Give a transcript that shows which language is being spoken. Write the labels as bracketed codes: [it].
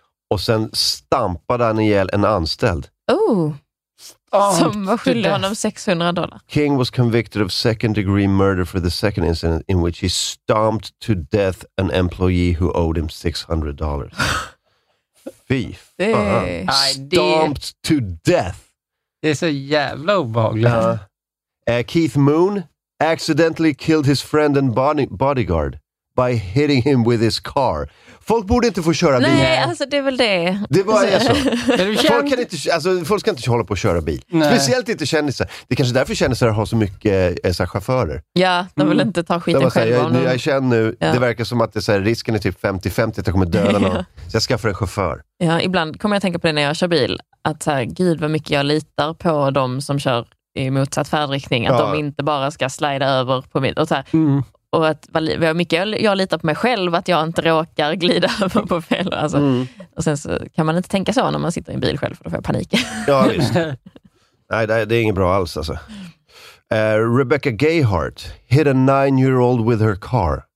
[sv] Och sen stampade han ihjäl en anställd. Oh! Som var skyldig honom $600. [en] King was convicted of second degree murder for the second incident in which he stomped to death an employee who owed him $600. [sv] Fy fan. [en] Stomped to death. [sv] Det är så jävla obehagligt. [en] Keith Moon accidentally killed his friend and bodyguard by hitting him with his car. [sv] Folk borde inte få köra bil. Nej, alltså det är väl det. Det var alltså. Folk kan inte, alltså folk ska inte hålla på att köra bil. Nej. Speciellt inte kändisar. Det är kanske därför kändisar har så mycket så chaufförer. Ja, de vill inte ta skiten själva. Jag känner nu, ja. Det verkar som att det är så här, risken är typ 50-50 att jag kommer döda någon. Ja. Så jag skaffar en chaufför. Ja, ibland kommer jag tänka på det när jag kör bil. Att så här, gud vad mycket jag litar på de som kör i motsatt färdriktning. Att de inte bara ska slida över på mitt. Och så här. Mm. Och att mycket jag litar på mig själv att jag inte råkar glida över på fel. Alltså. Mm. Och sen så kan man inte tänka så när man sitter i en bil själv, för då får jag panik. Ja, visst. Nej, det är inget bra alls. Alltså. [en] Rebecca Gayhart hit a 9-year-old with her car.